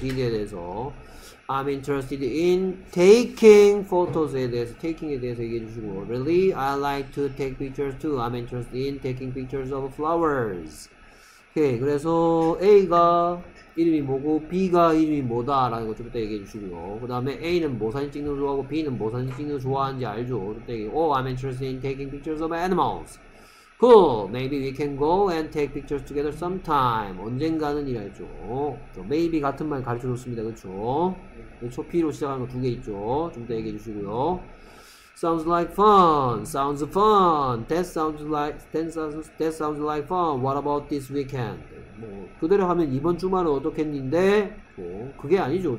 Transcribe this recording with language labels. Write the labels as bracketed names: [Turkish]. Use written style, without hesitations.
[Korean] 디디에 대해서. [English] I'm interested in taking photos에 대해서, taking에 대해서 [Korean] 얘기해주시고. [English] Really? I like to take pictures too. I'm interested in taking pictures of flowers. [Korean] Okay, 그래서 A가 이름이 뭐고 B가 이름이 뭐다 라는 거 좀 이따 얘기해 주시고요. 그 다음에 A는 뭐 사진 찍는 거 좋아하고 B는 뭐 사진 찍는 거 좋아하는지 알죠? 그때 [English] Oh, I'm interested in taking pictures of animals. Cool. Maybe we can go and take pictures together sometime. [Korean] 언젠가는 이랬죠. Maybe 같은 말 가르쳐 줬습니다. 그쵸? 그쵸? B로 시작하는 거 두 개 있죠? 좀 이따 얘기해 주시고요. [English] Sounds like fun. Sounds fun. That sounds like fun. What about this weekend? [Korean] 뭐 그대로 하면 이번 주말은 어떻겠는데? 뭐 그게 아니죠.